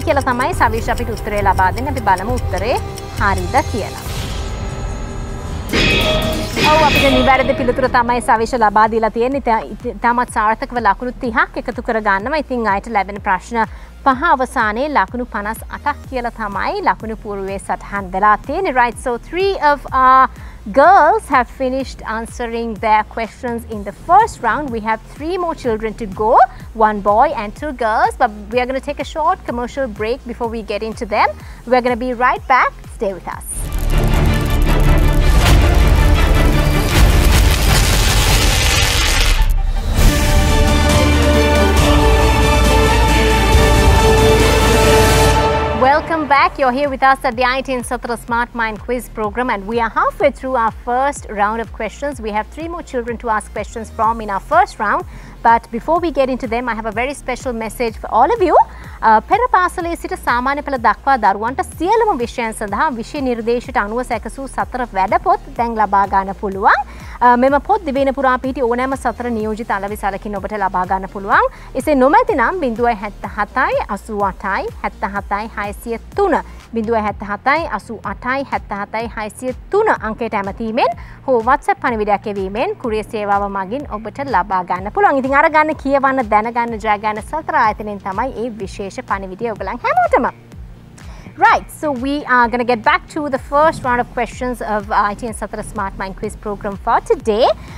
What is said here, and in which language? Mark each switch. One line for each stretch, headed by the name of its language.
Sinhala: කියලා තමයි සවිශ අපිට උත්තරේ ලබා දෙන්නේ. අපි බලමු උත්තරේ හරිද කියලා. ඔව්, අපිට නිවැරදි පිළිතුර තමයි සවිශ ලබා දීලා තියෙන්නේ. තමත් සාර්ථකව ලකුණු 30ක් එකතු කර ගන්නවා. ඉතින් ආයෙත් ලැබෙන ප්‍රශ්න පහ අවසානයේ ලකුණු 58ක් කියලා තමයි ලකුණු පූර්වයේ සටහන් වෙලා තියෙන්නේ.
English: Right, so three of our girls have finished answering their questions in the first round. We have three more children to go, one boy and two girls. But we are going to take a short commercial break before we get into them. We are going to be right back. Stay with us. Welcome back. You're here with us at the ITN Smart Mind quiz program, and we are halfway through our first round of questions. We have three more children to ask questions from in our first round. But before we get into them, I have a very special message for all of you.
Sinhala: පෙර පාසලේ සිට සාමාන්‍ය පෙළ දක්වා දරුවන්ට සියලුම විෂයන් සඳහා විෂය නිර්දේශයට අනුව සැකසූ සතර වැඩපොත් දැන් ලබා ගන්න පුළුවන්. මෙම පොත් දිවයින පුරා පිහිටි ඕනෑම සතර නියෝජිත අලවි සලකින් ඔබට ලබා ගන්න පුළුවන්. එසේ නොමැති නම් 0787 77 603 0787 77 603 අංකයට ඇමතීමෙන් හෝ WhatsApp පණිවිඩයක් එවීමෙන් කුරිය සේවාව මගින් ඔබට ලබා ගන්න පුළුවන්. ඉතින් අරගන්න, කියවන්න, දැනගන්න, ජයගන්න සතර ආයතනයෙන් තමයි ඒ විශේෂ පණිවිඩය ඔයගලන් හැමෝටම.
English: Right, so we are going to get back to the first round of questions of ITN Satara Smart Mind Quiz program for today.